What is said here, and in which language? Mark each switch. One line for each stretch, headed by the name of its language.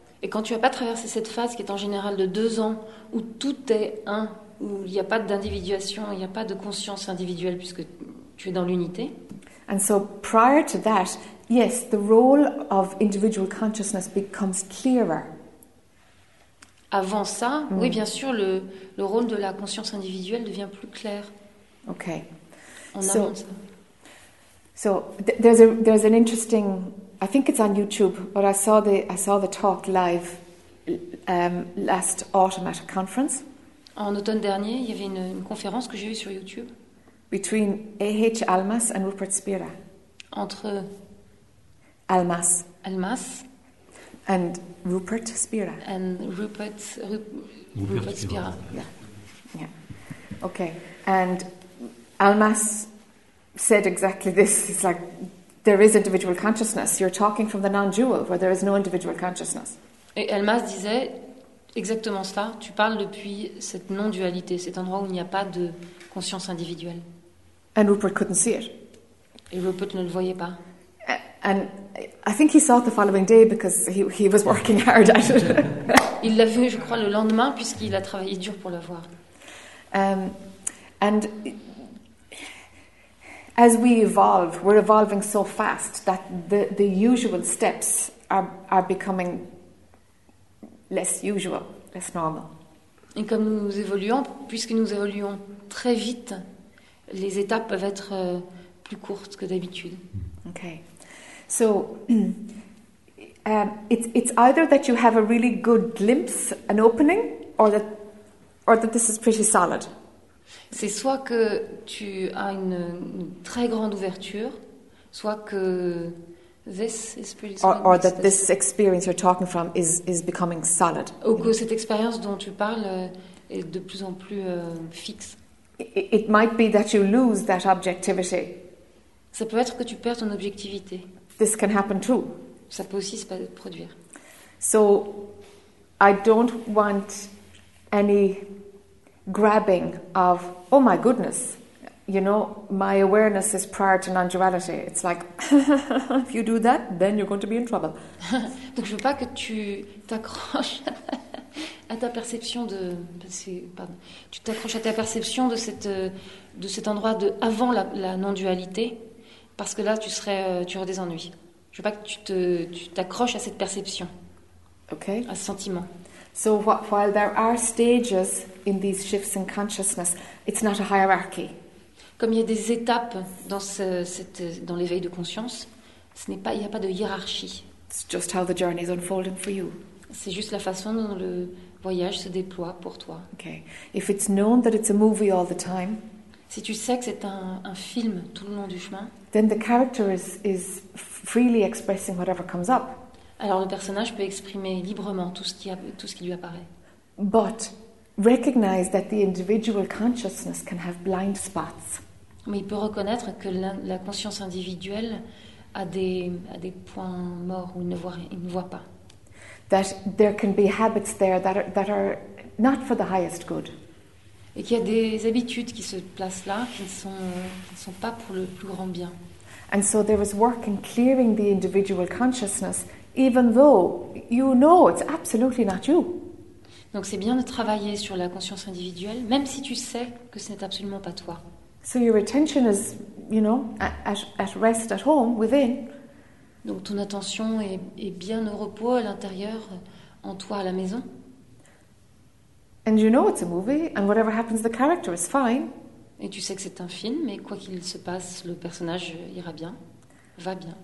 French: Et quand tu n'as pas traversé cette phase qui est en général de 2 ans où tout est un, où il n'y a pas d'individuation, il n'y a pas de conscience individuelle puisque tu es dans l'unité.
English: And so prior to that, yes, the role of individual consciousness becomes clearer.
French: Avant ça, oui, bien sûr, le rôle de la conscience individuelle devient plus clair.
English: Okay.
French: En amont de ça.
English: So there's an interesting, I think it's on YouTube, but I saw the talk live last autumn at a conference.
French: En automne dernier, il y avait une conférence que j'ai eue sur YouTube.
English: Between A.H. Almas and Rupert Spira.
French: Entre
English: Almas. And Rupert Spira. And Rupert Spira. Yeah. Okay. And Almas said exactly this. It's like, there is individual consciousness. You're talking from the non-dual, where there is no individual consciousness.
French: Et Almas disait, Exactement ça. Tu parles depuis cette non-dualité, cet endroit où il n'y a pas de conscience individuelle.
English: And Rupert couldn't see it.
French: Et Rupert ne le voyait pas.
English: And I think he saw it the following day because he was working hard at it.
French: Il l'a vu, je crois, le lendemain puisqu'il a travaillé dur pour le voir.
English: And as we evolve, we're evolving so fast that the usual steps are becoming less usual, less normal.
French: Et comme nous évoluons, puisque nous évoluons très vite, les étapes peuvent être plus courtes que d'habitude.
English: Okay. So it's either that you have a really good glimpse, an opening, or that this is pretty solid.
French: C'est soit que tu as une très grande ouverture, soit que
English: this is pretty solid. Or that this experience you're talking from is becoming solid.
French: Ou que cette expérience dont tu parles est de plus en plus fixe.
English: It might be that you lose that objectivity.
French: Ça peut être que tu perds ton objectivité.
English: This can happen too.
French: Ça peut aussi se produire.
English: So I don't want any grabbing of, oh my goodness, you know, my awareness is prior to non-duality. It's like, if you do that, then you're going to be in trouble.
French: Donc je veux pas que tu t'accroches à ta perception de, tu t'accroches à ta perception de cet endroit de avant la non-dualité, parce que là tu aurais des ennuis. Je veux pas que tu t'accroches à cette perception,
English: okay,
French: à ce sentiment.
English: So while there are stages in these shifts in consciousness, it's not a hierarchy.
French: Comme il y a des étapes dans l'éveil de conscience, il n'y a pas de hiérarchie.
English: It's just how the journey is unfolding for you.
French: C'est juste la façon dont le voyage se déploie pour toi.
English: Okay. If it's known that it's a movie all the time,
French: si tu sais que c'est un film tout le long du chemin,
English: then the character is freely expressing whatever comes up.
French: Alors le personnage peut exprimer librement tout ce qui lui apparaît.
English: But recognize that the individual consciousness can have blind spots.
French: Mais il peut reconnaître que la conscience individuelle a des points morts où il ne voit pas.
English: That there can be habits there that are not for the highest good.
French: Et qu'il y a des habitudes qui se placent là qui ne sont pas pour le plus grand bien.
English: And so there is work in clearing the individual consciousness, even though you know it's absolutely not you.
French: Donc c'est bien de travailler sur la conscience individuelle, même si tu sais que ce n'est absolument pas toi.
English: So your attention is, you know, at rest at home within.
French: Donc ton attention est bien au repos à l'intérieur, en toi, à la maison.
English: And you know it's a movie, and whatever happens, the character is fine.
French: Et tu sais que c'est un film, mais quoi qu'il se passe, le personnage ira bien, va bien.